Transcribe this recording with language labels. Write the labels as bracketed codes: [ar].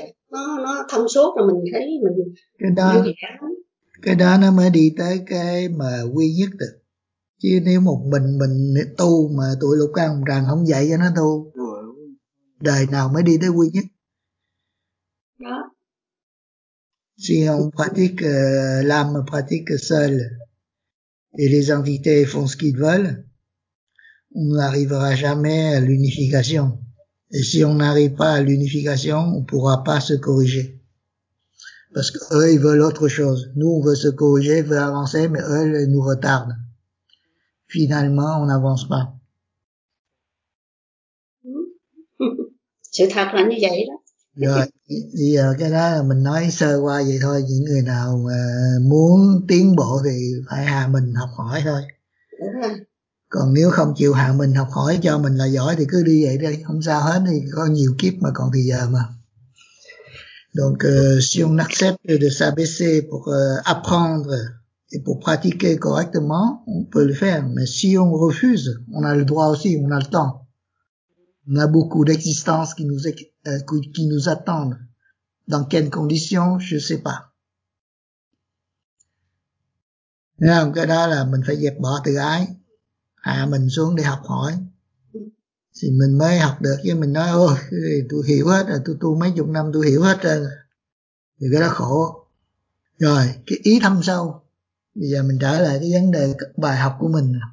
[vi] Nó thông suốt rồi mình thấy mình cái đó, vui vẻ lắm. Cái đó nó mới đi tới cái mà quy nhất được. Chứ nếu một mình tu mà tụi Lục Căn Trần không dạy cho nó tu, đời nào mới đi tới quy nhất. Đó. [fr] Si on pratique l'âme pratique seule et les entités font ce qu'ils veulent, on n'arrivera jamais à l'unification. Et si on n'arrive pas à l'unification, on ne pourra pas se corriger. Parce qu'eux, ils veulent autre chose. Nous, on veut se corriger, on veut avancer, mais eux, ils nous retardent. Finalement, on n'avance pas. C'est [vi] thật là như vậy đó. Rồi, bây giờ cái đó mình nói sơ qua vậy thôi. Những người nào muốn tiến bộ thì phải hạ mình học hỏi thôi. Còn nếu không chịu hạ mình học hỏi cho mình là giỏi thì cứ đi vậy đi. Không sao hết, thì có nhiều kiếp mà còn thì giờ mà. [fr] Donc, si on accepte de s'abaisser pour apprendre, et pour pratiquer correctement, on peut le faire. Mais si on refuse, on a le droit aussi, on a le temps. On a beaucoup d'existences qui nous attendent. Dans quelles conditions, je sais pas. [vi] Non, cái đó là mình phải dẹp bỏ tự ái, hạ mình xuống để học hỏi. Thì mình mới học được, chứ mình nói, ôi, tôi hiểu hết rồi, tôi tu mấy chục năm, tôi hiểu hết rồi. Thì cái đó khổ. Rồi, cái ý thâm sâu. Bây giờ mình trở lại cái vấn đề bài học của mình.